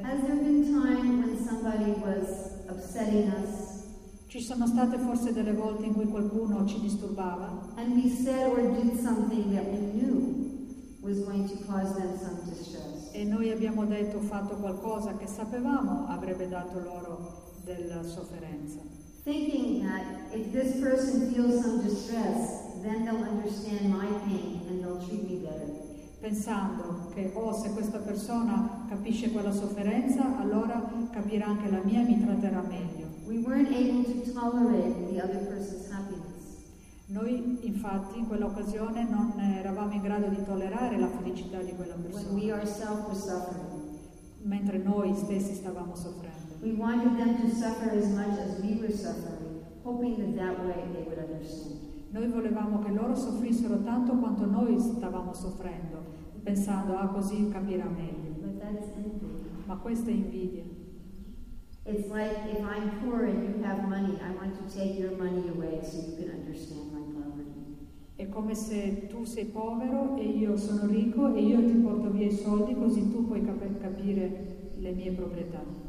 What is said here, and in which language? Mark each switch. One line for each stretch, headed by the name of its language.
English: Has there been time when somebody was upsetting us?
Italian: Ci sono state forse delle volte in cui qualcuno ci disturbava?
English: And we said or did something that we knew was going to cause them some distress.
Italian: E noi abbiamo detto o fatto qualcosa che sapevamo avrebbe dato loro della sofferenza.
English: Thinking that if this person feels some distress, then they'll understand my pain and they'll treat me better.
Italian: Pensando che, oh, se questa persona capisce quella sofferenza, allora capirà anche la mia e mi tratterà meglio.
English: We weren't able to tolerate the other person's happiness.
Italian: Noi, infatti, in quell'occasione non eravamo in grado di tollerare la felicità di quella persona.
English: When we ourselves were suffering.
Italian: Mentre noi stessi stavamo soffrendo.
English: We wanted them to suffer as much as we were suffering, hoping that that way they would understand.
Italian: Noi volevamo che loro soffrissero tanto quanto noi stavamo soffrendo, pensando, ah, così capirà meglio.
English: But that's envy.
Italian: Ma questa è invidia.
English: It's like if I'm poor and you have money, I want to take your money away so you can understand my poverty.
Italian: È come se tu sei povero e io sono ricco e io ti porto via i soldi così tu puoi capire le mie proprietà.